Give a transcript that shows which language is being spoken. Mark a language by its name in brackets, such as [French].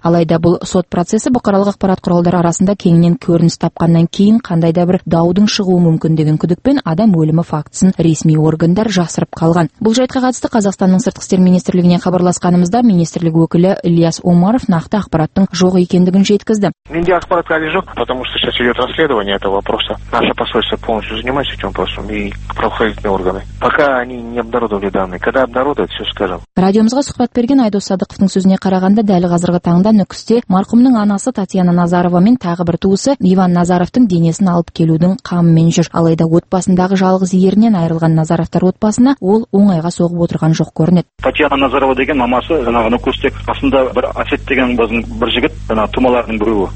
[Kazakh] Алайда бұл сот процесі бұқаралық ақпарат құралдары арасында кеңінен көрініс тапқаннан кейін қандай да бір даудың шығуы мүмкін деген күдікпен адам өлімі фактісін ресми органдар жасырып қалған. Бұл жайтқа қатысты Қазақстанның сыртқы істер министрлігіне хабарласқанымызда министрлік өкілі Ильяс Омаров нақты ақпараттың жоқ екендігін жеткізді. Менде ақпарат әлі жоқ, [Russian] потому что сейчас идет расследование этого вопроса. Наше посольство полностью занимается этим вопросом и правоохранительные органы. Пока они не обнародовали данные. Когда обнародуют, все скажем. [Kazakh] Радиомызға сұхбат берген Айдос Садықовтың сөзіне қарағанда, дәл қазіргі таңда Нүкісте марқұмның анасы Татьяна Назарова мен тағы бір туысы Иван Назаровтың денесін алып келудің қамымен жүр. Алайда отбасындағы жалғыз ерінен айырылған Назаровтар отбасына ол оңайға соғып отырған жоқ көрінеді. Татьяна Назарова деген мамасы жаңағы Нүкісте қасында бір Асет деген бір жігіт, жаңағы тумаларының біреуі.